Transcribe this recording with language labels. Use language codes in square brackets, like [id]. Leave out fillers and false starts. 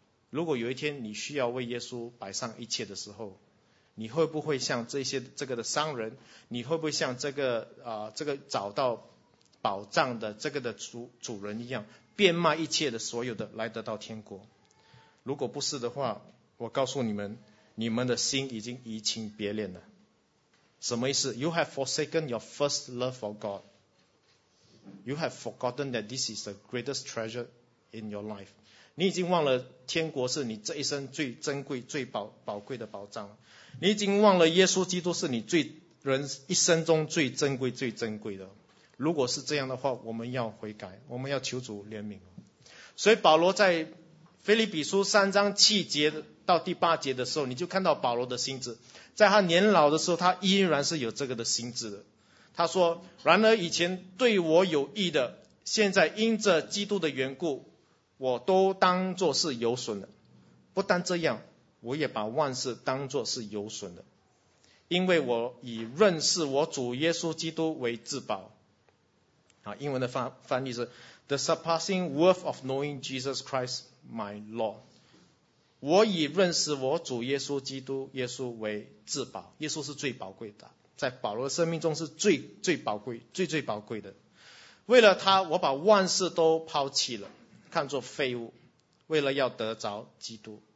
[zh] 如果有一天你需要为耶稣摆上一切的时候，你会不会像这个的商人？你会不会像这个找到宝藏的这个的主人一样，变卖一切的所有的来得到天国？如果不是的话，我告诉你们，你们的心已经移情别恋了。什么意思 [en] ？You have forsaken your first love for God. You have forgotten that this is the greatest treasure in your life. [zh] 你已经忘了天国是你这一生最珍贵、最宝贵的宝藏了。你已经忘了耶稣基督是你最人一生中最珍贵最珍贵的。如果是这样的话，我们要悔改，我们要求主怜悯。所以保罗在腓立比书三章七节到第八节的时候，你就看到保罗的心智，在他年老的时候他依然是有这个的心智的。他说，然而以前对我有益的，现在因着基督的缘故，我都当作是有损的。不但这样，我也把万事当作是有损的，因为我以认识我主耶稣基督为至宝。英文的翻译是 [en] The surpassing worth of knowing Jesus Christ my Lord. [zh] 我以认识我主耶稣基督耶稣为至宝。耶稣是最宝贵的，在保罗的生命中是最最宝贵最最宝贵的。为了他，我把万事都抛弃了，看作废物，为了要得着基督。